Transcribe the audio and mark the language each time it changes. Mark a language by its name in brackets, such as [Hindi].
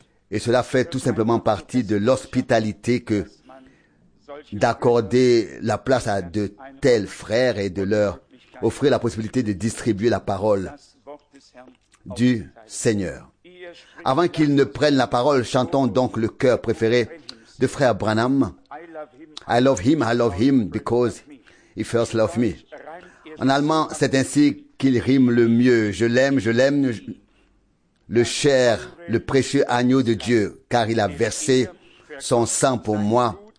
[French] Et cela fait tout simplement partie de l'hospitalité que d'accorder la place à de tels frères et de leur offrir la possibilité de distribuer la parole du Seigneur. Avant qu'ils ne prennent la parole, chantons donc le chœur préféré de frère Branham. [English] I love him because he first loved me. [French] En allemand, c'est ainsi qu'il rime le mieux. Je l'aime, le cher, le précieux agneau de Dieu, car il a versé son sang pour moi.